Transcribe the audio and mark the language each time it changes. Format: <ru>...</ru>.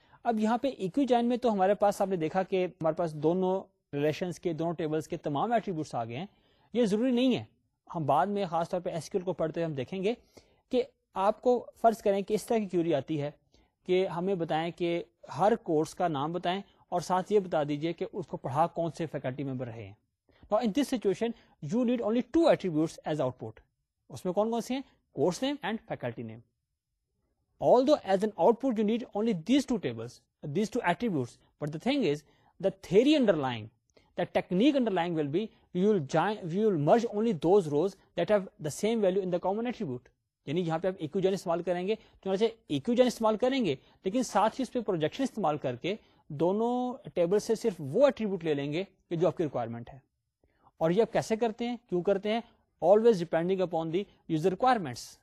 <ur>اب یہاں پہ ایکوی جائن میں تو ہمارے پاس آپ نے دیکھا کہ ہمارے پاس دونوں ریلیشنز کے دونوں ٹیبلز کے تمام ایٹریبیوٹس آ گئے ہیں. یہ ضروری نہیں ہے, ہم بعد میں خاص طور پہ ایس کیو ایل کو پڑھتے ہوئے ہم دیکھیں گے کہ آپ کو فرض کریں کہ اس طرح کی کیوری آتی ہے کہ ہمیں بتائیں کہ ہر کورس کا نام بتائیں اور ساتھ یہ بتا دیجئے کہ اس کو پڑھا کون سے فیکلٹی ممبر رہے ہیں.</ur> <en>Now in this situation you need only two attributes as output.</en> <ur>اس میں کون کون سے ہیں؟</ur> <en>Course name and faculty name. Although as an output you need only these two tables, these two attributes, but the thing is the theory underlying, the technique underlying will be you will merge only those rows that have the same value in the common attribute.</en> <ur>یعنی یہاں پہ آپ eco Jain استعمال کریں گے, چنانچہ eco Jain استعمال کریں گے لیکن ساتھ ہی اس پہ پروجیکشن استعمال کر کے دونوں ٹیبل سے صرف وہ ایٹریبیوٹ لے لیں گے کہ جو آپ کی ریکوائرمنٹ ہے. اور یہ آپ کیسے کرتے ہیں, کیوں کرتے ہیں؟</ur> <en>Always depending upon the user requirements.</en>